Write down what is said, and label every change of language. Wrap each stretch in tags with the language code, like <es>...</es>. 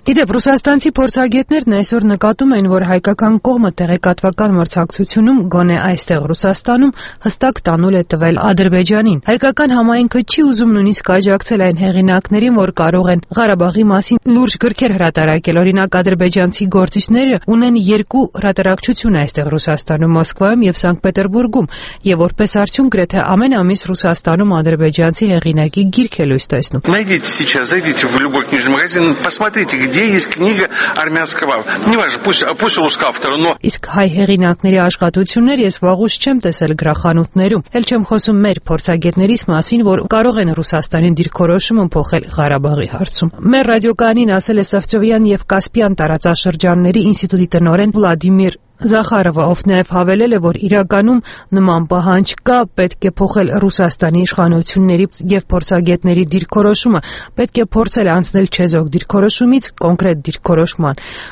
<hy>Գիտեք, ռուսաստանցի փորձագետներն այսօր նկատում են, որ հայկական կողմը տեղեկատվական մրցակցությունում գոնե այստեղ Ռուսաստանում հստակ տանուլ է տվել Ադրբեջանին։ Հայկական համայնքը չի ուզում նույնիսկ աջակցել այն հեղինակներին, որ կարող են Ղարաբաղի մասին լուրջ գրքեր հրատարակել, օրինակ ադրբեջանցի գործիչները ունեն երկու հրատարակչություն այստեղ Ռուսաստանում, Մոսկվայում և Սանկտպետերբուրգում, և որպես արդյունք գրեթե ամեն ամիս Ռուսաստանում ադրբեջանցի հեղինակի գիրք է լույս տեսնում։</hy> <ru>Найдите сейчас, зайдите в любой книжный магазин, посмотрите, где есть книга армянского. Неважно, пусть у автора, но</ru> <hy>իսկ հայ հեղինակների աշխատություններ ես վաղուց չեմ տեսել գրախանութներում, ել չեմ խոսում մեր փորձագետներից մասին, որ կարող են Ռուսաստանին դիրքորոշումը փոխել Ղարաբաղի հարցում։ Մեր ռադիոկանին ասել է Սովճովյան և Կասպյան տարածաշրջանների ինստիտուտի տնօրեն Վլադիմիր Զախարովը, ով նաև հավելել է, որ իրականում նման պահանջ կա, պետք է փոխել Ռուսաստանի իշխանությունների և փորձագետների դիրքորոշումը, պետք է փորձել անցնել չեզոք դիրքորոշումից կոնկրետ դիրքորոշման։</hy>